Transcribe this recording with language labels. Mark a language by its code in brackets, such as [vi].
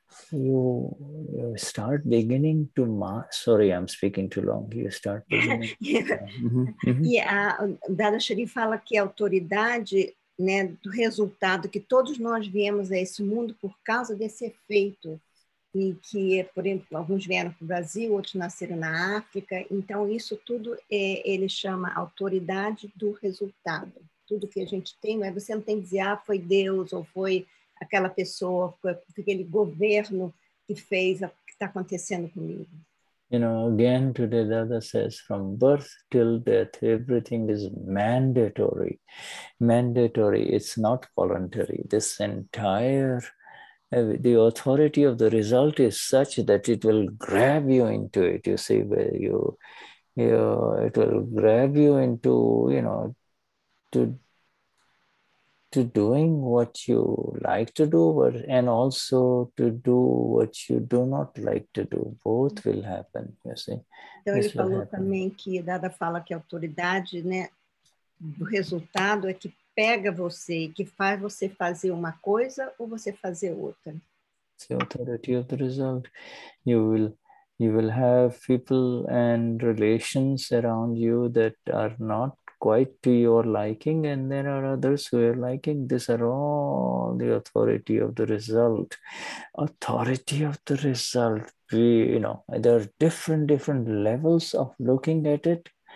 [en] You start beginning to sorry, I'm speaking too long. You start beginning. [pt] E a Dada Shri fala que a autoridade, né, do resultado, que todos nós viemos a esse mundo por causa desse efeito, e que, por exemplo, alguns vieram para o Brasil, outros nasceram na África. Então, isso tudo ele chama autoridade do resultado. Tudo que a gente tem, mas você não tem que dizer, ah, foi Deus ou foi aquela pessoa, aquele governo que fez o que está acontecendo comigo. [en] You know, again, today Dada says, from birth till death, everything is mandatory. Mandatory, it's not voluntary. This entire, the authority of the result is such that it will grab you into it. You see, where you it will grab you into, you know, to doing what you like to do, and also to do what you do not like to do. Both will happen, you see. [pt] Então, this ele falou happen. Também que Dada fala que a autoridade, né, do resultado é que pega você, que faz você fazer uma coisa ou você fazer outra. [en] It's the authority of the result. You will have people and relations around you that are not quite to your liking, and there are others who are liking. These are all the authority of the result. Authority of the result, we, you know, there are different levels of looking at it.